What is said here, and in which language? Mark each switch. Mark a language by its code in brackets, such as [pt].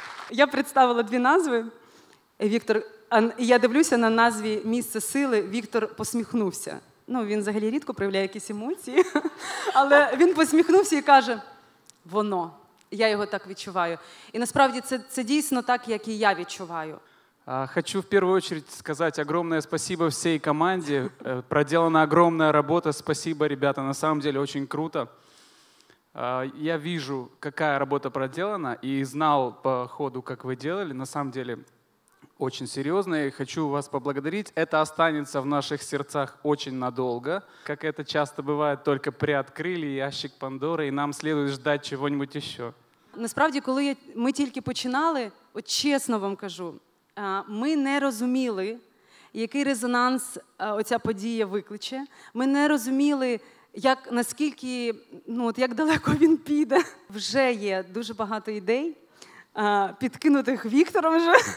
[uk] Я представила дві назви. Віктор, я дивлюся на назві «Місце сили», Віктор посміхнувся. Ну, він взагалі рідко проявляє якісь емоції, але він посміхнувся і каже «Воно». Я його так відчуваю. І насправді це дійсно так, як і я відчуваю. Хочу в першу чергу сказати огромне спасибо всій команді. [ru] Проделана огромна робота. Спасибо, ребята, на самом деле очень круто. Я вижу, какая работа проделана, и знал по ходу, как вы делали. На самом деле, очень серьезно. И хочу вас поблагодарить. Это останется в наших сердцах очень надолго. Как это часто бывает, только приоткрыли ящик Пандоры, и нам следует ждать чего-нибудь еще. [uk] Насправді, коли ми тільки починали, от чесно вам кажу, ми не розуміли, який резонанс оця подія викличе. Ми не розуміли, як, наскільки, ну от як далеко він піде. Вже є дуже багато ідей, підкинутих Віктором вже.